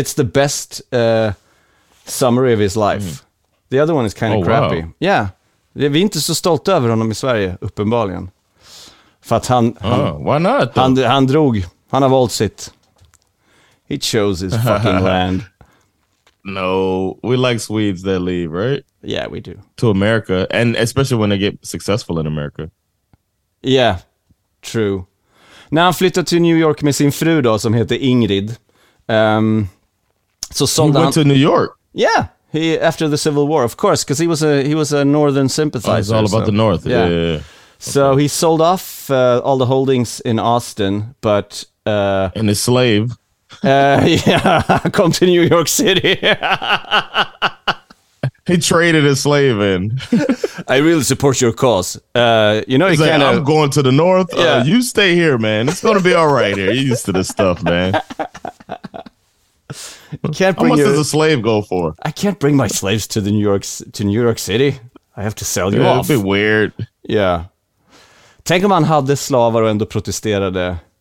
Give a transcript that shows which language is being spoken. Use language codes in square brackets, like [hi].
[en] It's the best summary of his life. Mm. The other one is kind of crappy. Wow. Yeah. [sv] Vi är inte så stolta över honom i Sverige uppenbarligen. För att [en] why not? [sv] Han drog. Han har valt sitt. [en] He chose his fucking land. No, we like Swedes that leave, right? Yeah, we do. To America, and especially when they get successful in America. Yeah, true. [sv] När han flyttade till New York med sin fru då, som heter Ingrid. [en] Went to New York? Yeah, after the Civil War, of course, because he was a Northern sympathizer. Oh, it's all about the North, yeah. So he sold off all the holdings in Austin, but... And his slave... yeah, come to New York City. He traded a slave in. I really support your cause. You know, I'm going to the North. Yeah. You stay here, man. It's gonna be all right here. You're used to this stuff, man. Can't bring how much does a slave go for? I can't bring my slaves to New York City. I have to sell you off. It'd be weird. Yeah. [sv] Tänk om han hade slavar och ändå protesterade.